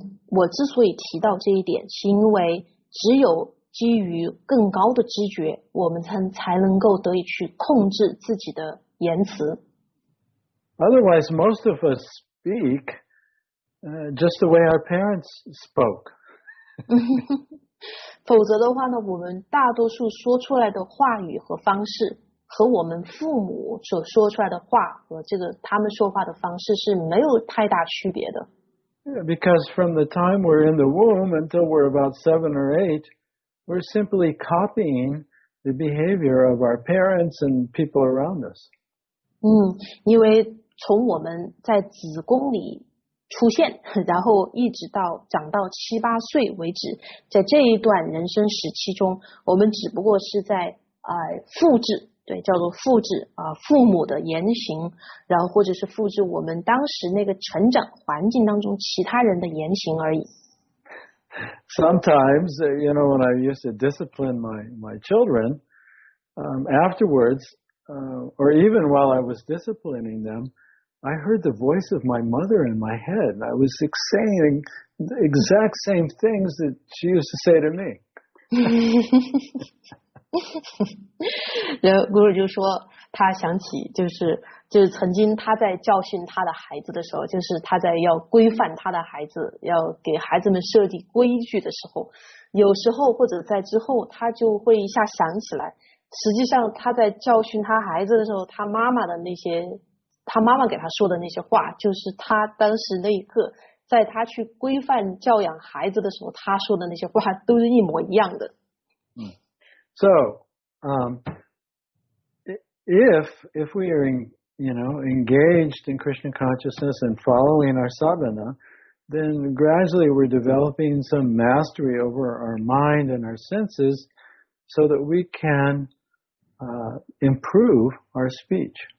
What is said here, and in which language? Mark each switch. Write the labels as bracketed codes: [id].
[zh] 我之所以提到这一点，是因为只有基于更高的知觉，我们才能够得以去控制自己的言辞。 [en] Otherwise, most of us speak just the way our parents spoke. [zh] 否则的话呢，我们大多数说出来的话语和方式和我们父母所说出来的话和这个他们说话的方式是没有太大区别的。 [en] Yeah, because from the time we're in the womb until we're about 7 or 8, we're simply copying the behavior of our parents and people around us. [zh] 因为从我们在子宫里出现，然后一直到长到七八岁为止，在这一段人生时期中，我们只不过是在复制，对，叫做复制父母的言行，然后或者是复制我们当时那个成长环境当中其他人的言行而已。 [en] Sometimes, you know, when I used to discipline my children, afterwards, or even while I was disciplining them,I heard the voice of my mother in my head. I was saying the exact same things that she used to say to me. [zh] 然后 Guru 就说，他想起就是曾经他在教训他的孩子的时候，就是他在要规范他的孩子，要给孩子们设立规矩的时候，有时候或者在之后，他就会一下想起来，实际上他在教训他孩子的时候，他妈妈的那些。他妈妈给他说的那些话，就是他当时那一刻，在他去规范教养孩子的时候，他说的那些话都是一模一样的。 [en] So, if we are engaged in Krishna consciousness and following our sadhana, then gradually we're developing some mastery over our mind and our senses so that we can improve our speech.